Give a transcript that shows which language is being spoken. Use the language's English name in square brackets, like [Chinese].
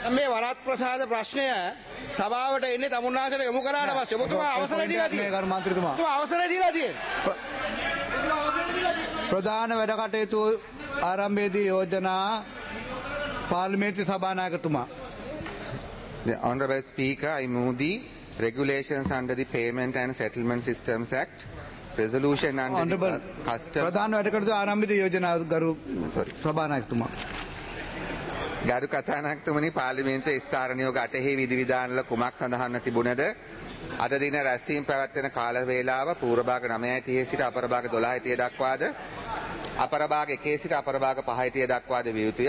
[Sinhala] මේ වරත් ප්‍රසාද ප්‍රශ්නය සභාවට එන්නේ තමුන්නාසයට යොමු කරාට පස්සේ. ඔබතුමා අවසර දීලා තියෙනවා. මේ ගරු මන්ත්‍රීතුමා. ඔබතුමා අවසර දීලා තියෙනවා. ප්‍රධාන වැඩ කටයුතු ආරම්භයේදී යෝජනා පාර්ලිමේන්තු සභානායකතුමා. [English] The Honorable Speaker, I move the regulations under the Payment and Settlement Systems Act. Resolution under the Customs. [Sinhala] ප්‍රධාන වැඩ කටයුතු ආරම්භයේදී යෝජනා ගරු සභානායකතුමා. ගරු කතානායකතුමනි, පාර්ලිමේන්තුවේ ස්ථාර නියෝග 8 විධිවිධානවල කුමක් සඳහන් තිබුණද? අද දින රැස්වීම පැවැත්වෙන කාල වේලාව පූර්ව භාග 9:30 සිට අපර භාග 12:30 දක්වාද, අපර භාග 1 සිට අපර භාග 5:30 දක්වාද විය යුතුය.